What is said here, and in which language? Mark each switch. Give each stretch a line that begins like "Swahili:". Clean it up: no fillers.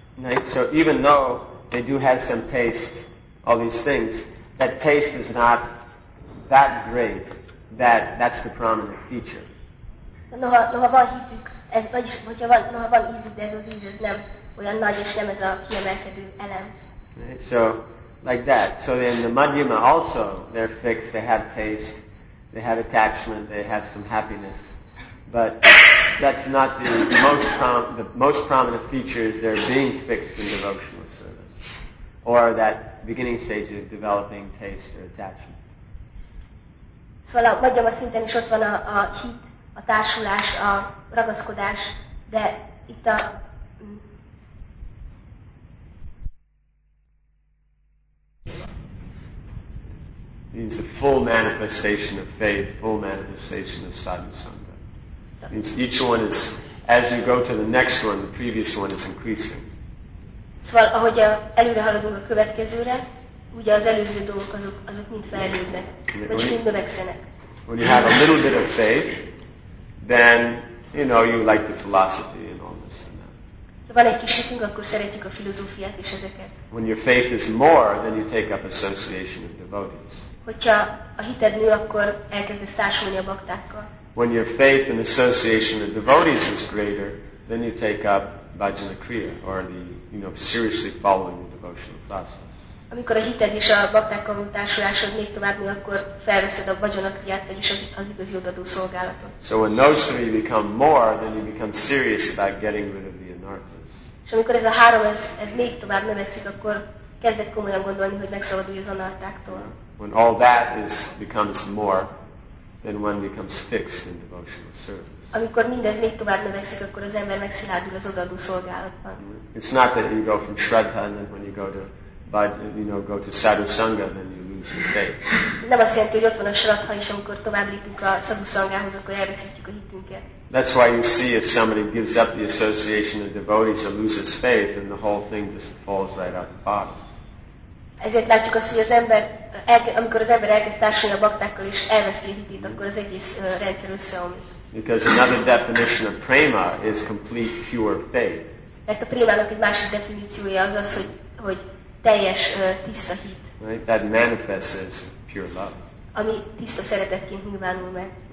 English: Right, so even though they do have some taste, all these things, that taste is not that great, that's the prominent feature.
Hungarian: Noha van hívjuk, ez, vagyis, noha van ízük, de ez az íz, ez nem olyan nagy, és nem ez a kiemelkedő elem.
English: Right, so, like that. So in the Madhyama also, they're fixed, they have taste, they have attachment, they have some happiness, but that's not the most prominent feature is they're being fixed in devotional service, or that beginning stage of developing taste or attachment.
Hungarian: Szóval a magyar szinten is ott van a hit, a társulás, a ragaszkodás, de itt a
English: means the full manifestation of faith, full manifestation of sadhusanga. Means each one is, as you go to the next one, the previous one is increasing.
Hungarian: Szóval, ahogy előre haladunk a következőre, ugye az előző dolgok azok mind fejlődnek, vagy mind növekszenek.
English: When you have a little bit of faith, then, you know, you like the philosophy and all this and that.
Hungarian: Ha van egy kis hitünk, akkor szeretjük a filozófiát és ezeket.
English: When your faith is more, then you take up association with devotees.
Hungarian: Hogyha a hited nő, akkor elkezdesz társulni a baktákkal.
English: When your faith and association with devotees is greater, then you take up bhajana kriya, or the, you know, seriously following the devotional process.
Hungarian: Amikor a hited és a baktákkal való társulásod még tovább nő, akkor felveszed a bhajana kriyát, vagyis az igazi odaadó szolgálatot.
English: So when those three become more, then you become serious about getting rid of the anarthas.
Hungarian: És amikor ez a három, ez még tovább növekszik, akkor kezdek komolyan gondolni, hogy megszabadulj az anarthától.
English: When all that is becomes more, then one becomes fixed in devotional service.
Hungarian: Amikor mindez még tovább növekszik, akkor az ember megszilárdul az odaadó szolgálatban.
English: It's not that you go from shraddha and then when you go to, you know, go to sadhusanga, then you lose your faith.
Hungarian: Nem azt jelenti, hogy ott van a shraddha, és amikor tovább lépünk a sadhusangához, akkor elveszítjük a hitünket.
English: That's why you see if somebody gives up the association of devotees or loses faith, then the whole thing just falls right out the bottom.
Hungarian: Ezért látjuk azt, hogy az ember, amikor az ember elkezd társulni a baktákkal és elveszi a hitét, akkor az egész rendszer összeomlik.
English: Because another definition of prema is complete pure faith.
Hungarian: Mert a prémának egy másik definíciója az az, hogy teljes tiszta hit.
English: Right? That manifests as pure love.
Hungarian: Ami tiszta szeretetként nyilvánul meg.